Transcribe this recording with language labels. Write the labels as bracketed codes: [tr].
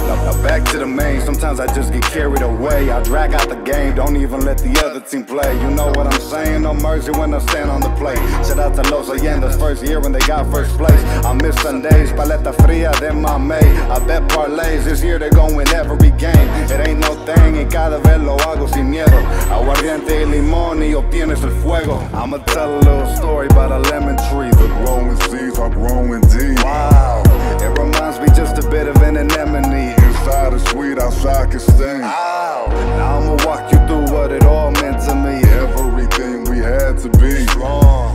[en] Now back to the main, sometimes I just get carried away. I drag out the game, don't even let the other team play. You know what I'm saying, no mercy when I stand on the plate. Shout out to Los Allendas, first year when they got first place. I miss Sundays, [es] paleta fría de mame. [en] I bet parlays, this year they're going every game. It ain't no thing, [es] y cada vez lo hago sin miedo. Aguardiente y limón y obtienes el fuego. [en] I'ma tell a little story about a lemon tree. The growing seeds are growing deep. Wow. It reminds me just a bit of an anemone. Inside is sweet, outside can sting. Ow. Now I'ma walk you through what it all meant to me. Everything we had to be strong.